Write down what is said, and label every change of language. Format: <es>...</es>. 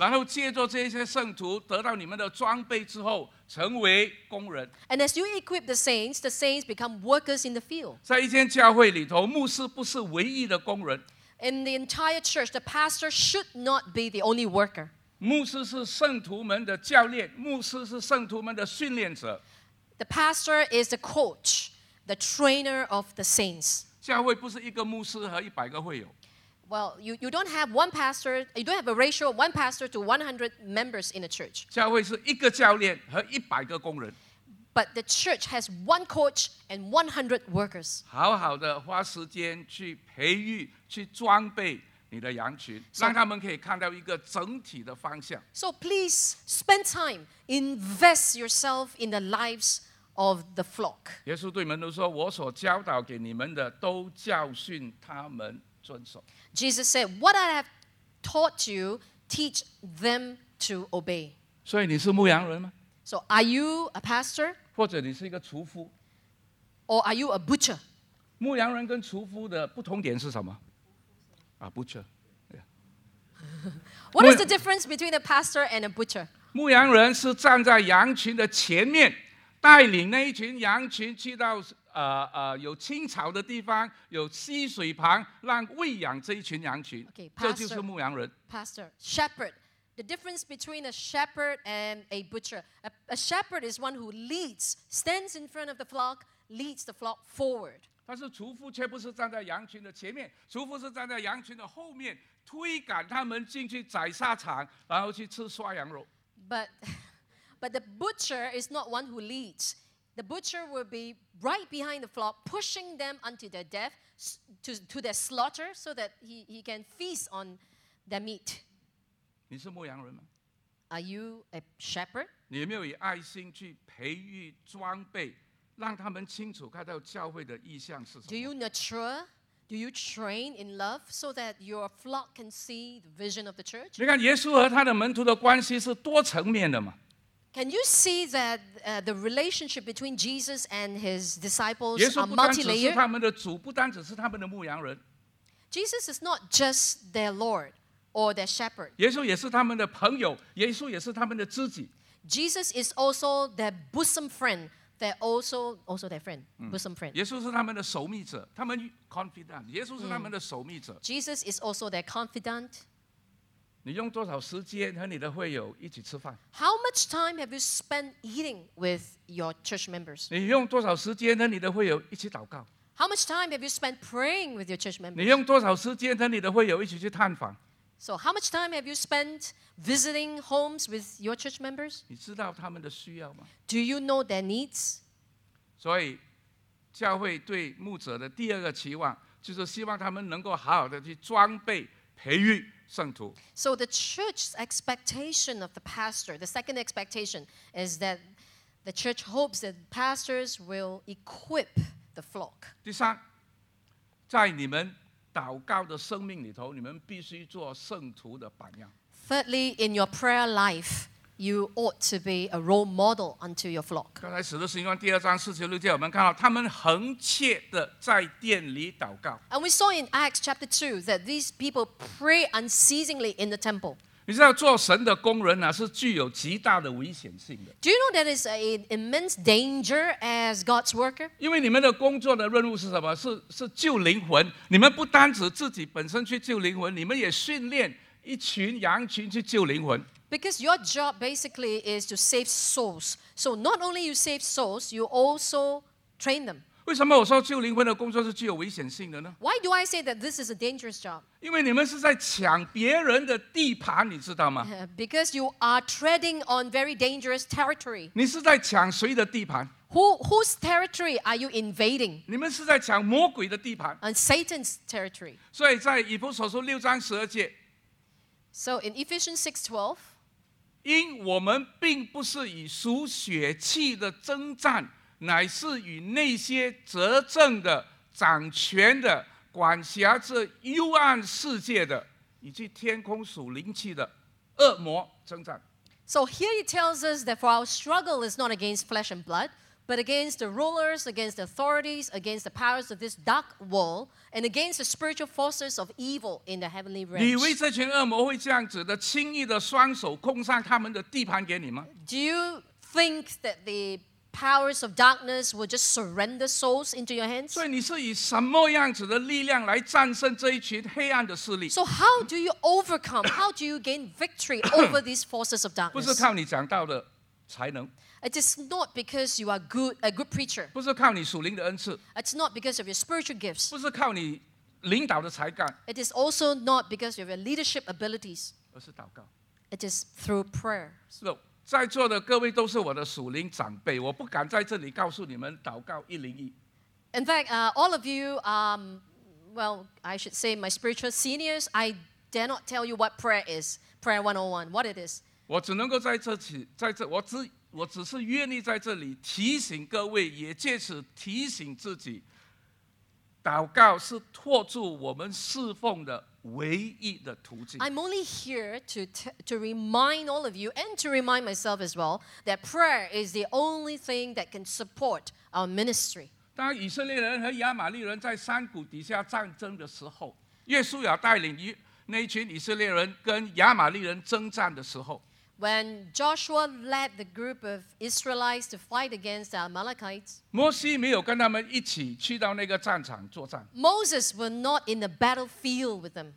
<zh>然后借着这些圣徒得到你们的装备之后，成为工人。</zh> <en>And as you equip the saints become workers in the field.</en> <zh>在一间教会里头，牧师不是唯一的工人。</zh> <en>In the entire church, the pastor should not be the only worker.</en> <zh>牧师是圣徒们的教练，牧师是圣徒们的训练者。</zh> <en>The pastor is the coach, the trainer of the saints.</en> <zh>教会不是一个牧师和一百个会友。</zh> <en>Well, you don't have one pastor, you don't have a ratio of one pastor to 100 members in a church.</en> <zh>教会是一个教练和一百个工人。</zh> <en>But the church has one coach and 100 workers.</en> <zh>好好的花时间去培育，去装备你的羊群，让他们可以看到一个整体的方向。</zh> <en>So please spend time, invest yourself in the lives. Of the flock.</en> <zh>耶稣对门徒说：“我所教导给你们的，都教训他们遵守。”</zh> <en>Jesus said, "What I have taught you, teach them to obey."</en> <zh>所以你是牧羊人吗</zh> <en>？So are you a pastor?</en> <zh>或者你是一个厨夫</zh> <en>？Or are you a butcher?</en> <zh>牧羊人跟厨夫的不同点是什么？啊 ，butcher.、Yeah.</zh> <en>What is the difference between a pastor and a butcher?</en> <zh>牧羊人是站在羊群的前面。带领那一群羊群去到有青草的地方，有溪水旁，让喂养这一群羊群。</zh> <en>Okay, Pastor,</en> <zh>这就是牧羊人。</zh> <en>Pastor, shepherd. The difference between a shepherd and a butcher. A shepherd is one who leads, stands in front of the flock, leads the flock forward.</en> <zh>但是厨夫却不是站在羊群的前面，厨夫是站在羊群的后面，推赶他们进去宰杀场，然后去吃涮羊肉。</zh> <en>But the butcher is not one who leads. The butcher will be right behind the flock, pushing them unto their death, to their slaughter, so that he can feast on their meat.</en> <zh>你是牧羊人吗？</zh> <en>Are you a shepherd?</en> <zh>你有没有以爱心去培育装备，让他们清楚看到教会的意向是什么？</zh> <en>Do you nurture? Do you train in love so that your flock can see the vision of the church?</en> <zh>你看耶稣和他的门徒的关系是多层面的嘛。</zh> <en>Can you see that the relationship between Jesus and his disciples are multi-layered?</en> <zh>耶稣不单只是他们的主，不单只是他们的牧羊人。</zh> <en>Jesus is not just their Lord or their shepherd.</en> <zh>耶稣也是他们的朋友，耶稣也是他们的知己。</zh> <en>Jesus is also their bosom friend. They're also their friend, bosom friend.</en> <zh>耶稣是他们的守密者，他们 confidant. 耶稣是他们的守密者。</zh> <en>Jesus is also their confidant.</en> <zh>你用多少时间和你的会友一起吃饭</zh> <en>？How much time have you spent eating with your church members？</en> <zh>你用多少时间和你的会友一起祷告</zh> <en>？How much time have you spent praying with your church members？</en> <zh>你用多少时间和你的会友一起去探访</zh> <en>？So how much time have you spent visiting homes with your church members？</en> <zh>你知道他们的需要吗</zh> <en>？Do you know their needs？</en> <zh>所以，教会对牧者的第二个期望就是希望他们能够好好的去装备培育。</zh> <en>So the church's expectation of the pastor, the second expectation is that the church hopes that pastors will equip the flock.</en> <zh>第三，在你们祷告的生命里头，你们必须做圣徒的榜样。</zh> <en>Thirdly, in your prayer life, you ought to be a role model unto your flock.</en> <zh>刚才使徒行传第二章四十六节，我们看到他们恒切的在殿里祷告。</zh> <en>And we saw in Acts chapter 2 that these people pray unceasingly in the temple.</en> <zh>你知道做神的工人呢、啊、是具有极大的危险性的。</zh> <en>Do you know that is an immense danger as God's worker?</en> <zh>因为你们的工作的任务是什么？是救灵魂。你们不单只自己本身去救灵魂，你们也训练一群羊群去救灵魂。</zh> <en>Because your job basically is to save souls. So not only you save souls, you also train them.</en> <zh>为什么我说救灵魂的工作是具有危险性的呢？</zh> <en>Why do I say that this is a dangerous job?</en> <zh>因为你们是在抢别人的地盘，你知道吗？</zh> <en>Because you are treading on very dangerous territory.</en> <zh>你是在抢谁的地盘？</zh> <en>Whose territory are you invading?</en> <zh>你们是在抢魔鬼的地盘。</zh> <en>And Satan's territory.</en> <zh>所以在以弗所书六章十二节。</zh> <en>So in Ephesians 6:12.</en> <zh>因我们并不是以属血气的征战，乃是与那些执政的、掌权的、管辖着幽暗世界的，以及天空属灵气的恶魔征战。</zh> <en>So here he tells us that for our struggle is not against flesh and blood, but against the rulers, against the authorities, against the powers of this dark world, and against the spiritual forces of evil in the heavenly realms.</en> <zh>你以为这群恶魔会这样子的轻易的双手空上他们的地盘给你吗？</zh> <en>Do you think that the powers of darkness will just surrender souls into your hands?</en> <zh>所以你是以什么样子的力量来战胜这一群黑暗的势力？</zh> <en>So how do you overcome? How do you gain victory over these forces of darkness?</en> <zh>不是靠你讲道的才能。</zh> <en>It is not because you are a good preacher.</en> <zh>不是靠你属灵的恩赐。</zh> <en>It's not because of your spiritual gifts.</en> <zh>不是靠你领导的才干。</zh> <en>It is also not because of your leadership abilities.</en> <zh>而是祷告。</zh> <en>It is through prayer.</en> <zh>So,在座的各位都是我的属灵长辈，我不敢在这里告诉你们祷告一零一。</zh> <en>In fact, all of you, well, I should say my spiritual seniors, I dare not tell you what prayer is, prayer 101, what it is.</en> <zh>我只能够在这，我只是愿意在这里提醒各位，也借此提醒自己，祷告是托住我们侍奉的。</zh> <en>I'm only here to remind all of you and to remind myself as well that prayer is the only thing that can support our ministry.</en> <zh>当以色列人和亚玛利人在山谷底下战争的时候，约书亚带领那群以色列人跟亚玛利人征战的时候。</zh> <en>When Joshua led the group of Israelites to fight against the Amalekites,</en> <zh>摩西没有跟他们一起去到那个战场作战。</zh> <en>Moses was not in the battlefield with them.</en>